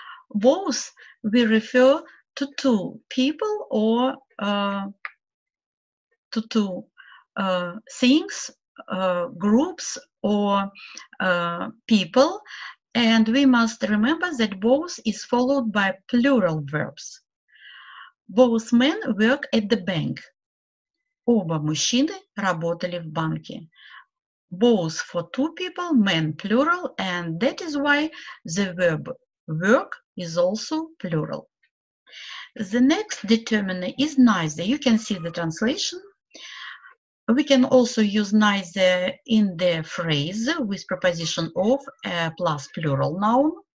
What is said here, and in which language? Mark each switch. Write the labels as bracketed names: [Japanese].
[English] Both, we refer to two people or to two things, groups or people. And we must remember that both is followed by plural verbs. Both men work at the bank. [Russian] Оба мужчины работали в банке. [English] Both for two people, men plural, and that is why the verb work is also plural. The next determiner is neither. You can see the translation. We can also use neither in the phrase with preposition of plus plural noun.